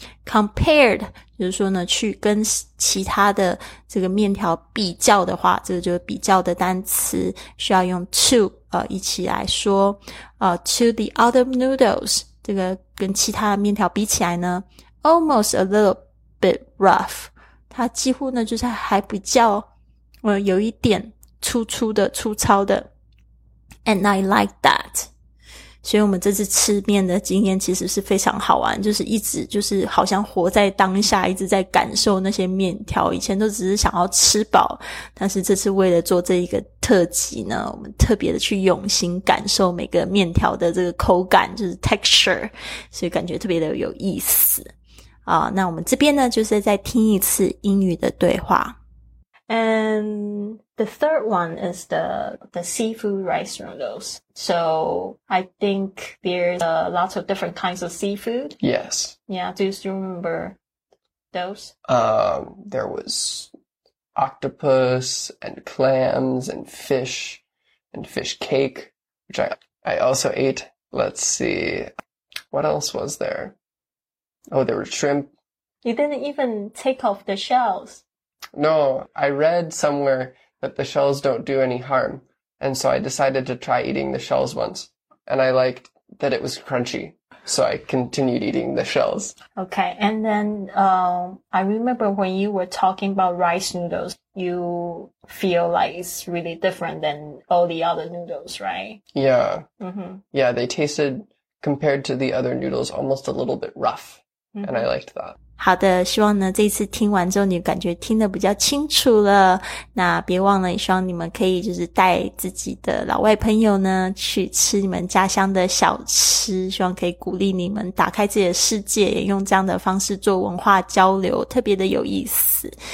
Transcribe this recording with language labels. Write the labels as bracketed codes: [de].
[zh] Compared, 就是说呢，去跟其他的这个面条比较的话，这个就是比较的单词，需要用 to, 一起来说。 [en] To the other noodles, [zh] 这个跟其他的面条比起来呢， [en] almost a little bit rough. [zh] 它几乎呢，就是还比较有一点粗粗的粗糙的 [en] and I like that [zh] 所以我们这次吃面的经验其实是非常好玩就是一直就是好像活在当下一直在感受那些面条以前都只是想要吃饱但是这次为了做这一个特辑呢我们特别的去用心感受每个面条的这个口感就是 texture 所以感觉特别的有意思那我们这边呢就是再听一次英语的对话 [en] And the third one is the seafood rice noodles. So I think there's lots of different kinds of seafood. Yes. Yeah, do you still remember those? There was octopus and clams and fish cake, which I also ate. Let's see. What else was there? Oh, there were shrimp. You didn't even take off the shells. No, I read somewhere that the shells don't do any harm, and so I decided to try eating the shells once, and I liked that it was crunchy, so I continued eating the shells. Okay, and then I remember when you were talking about rice noodles, you feel like it's really different than all the other noodles, right? Yeah. Mm-hmm. Yeah, they tasted, compared to the other noodles, almost a little bit rough, mm-hmm. and I liked that. [zh] 好的希望呢这一次听完之后你感觉听得比较清楚了那别忘了也希望你们可以就是带自己的老外朋友呢去吃你们家乡的小吃希望可以鼓励你们打开自己的世界也用这样的方式做文化交流特别的有意思